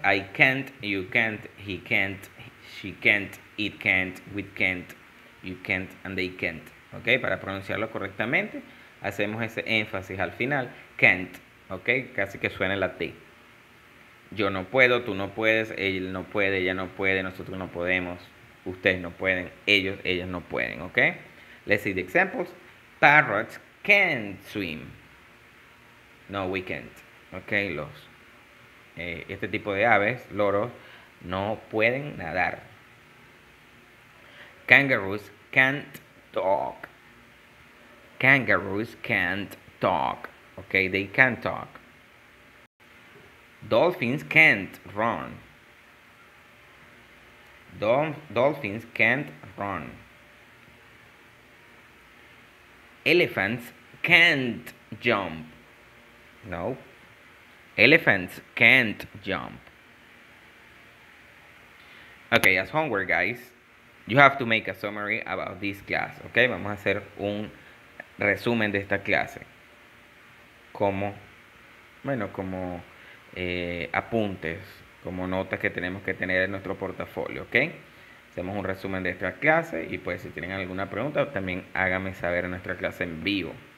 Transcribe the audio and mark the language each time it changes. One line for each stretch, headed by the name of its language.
English: I can't, you can't, he can't, she can't, it can't, we can't, you can't, and they can't. ¿Ok?
Spanish: Para pronunciarlo correctamente, hacemos ese énfasis al final. Can't. ¿Ok? Casi que suena la T. Yo no puedo, tú no puedes, él no puede, ella no puede, nosotros no podemos, ustedes no pueden, ellos, ellas no pueden, ¿ok?
English: Let's see the examples. Parrots can swim. No, we can't. ¿Ok?
Spanish: Los, este tipo de aves, loros, no pueden nadar.
English: Kangaroos can't talk. Kangaroos can't talk. ¿Ok? They can't talk. Dolphins can't run. Dolphins can't run. Elephants can't jump. No. Elephants can't jump. Okay, as homework, guys, you have to make a summary about this class.
Spanish: Okay, vamos a hacer un resumen de esta clase. Como, bueno, como... apuntes, como notas que tenemos que tener en nuestro portafolio, ¿ok? Hacemos un resumen de esta clase y pues si tienen alguna pregunta, también háganme saber en nuestra clase en vivo.